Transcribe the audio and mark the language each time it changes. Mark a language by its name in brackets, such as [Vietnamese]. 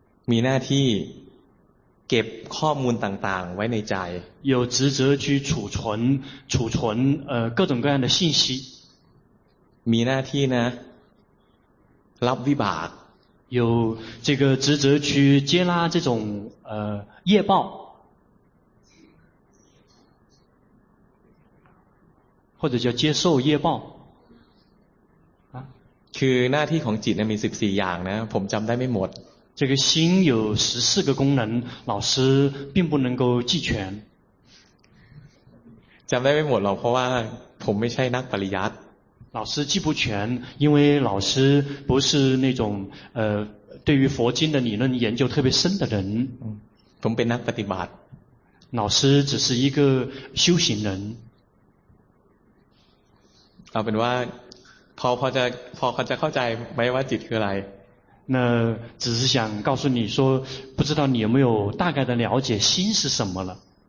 [Thai] มีหน้าที่เก็บข้อมูลต่างๆไว้ในใจ [Chinese] 有职责去储存各种各样的信息 [Thai] มีหน้าที่นะรับวิบาก [Chinese] 有这个职责去接纳这种业报或者叫接受业报 [Thai] คือหน้าที่ของจิตมี14อย่างนะผมจำได้ไม่หมด [Chinese] 这个心有14个功能老师并不能够记全 [Thai] จำได้ไม่หมดหรอกเพราะว่าผมไม่ใช่นักปริยัติ [Chinese] 老师记不全因为老师不是那种对于佛经的理论研究特别深的人 [Thai] ผมเป็นนักปฏิบัติ [Chinese] 老师只是一个修行人 [Thai] เอาเป็นว่าพอจะเข้าใจไหมว่าจิตคืออะไร [Chinese] 那只是想告诉你说不知道你有没有大概的了解心是什么了